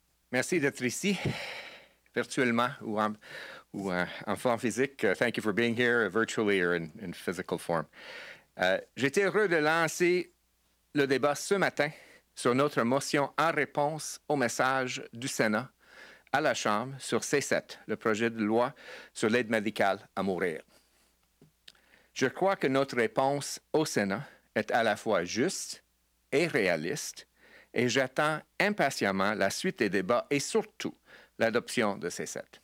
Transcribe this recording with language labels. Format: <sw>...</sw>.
<fr>Merci d'être ici, virtuellement ou en forme physique.</fr> <en>Thank you for being here virtually or in physical form.</en> <fr>J'étais heureux de lancer le débat ce matin sur notre motion en réponse au message du Sénat à la Chambre sur C7, le projet de loi sur l'aide médicale à mourir. Je crois que notre réponse au Sénat est à la fois juste et réaliste, et j'attends impatiemment la suite des débats et surtout l'adoption de C7.</fr>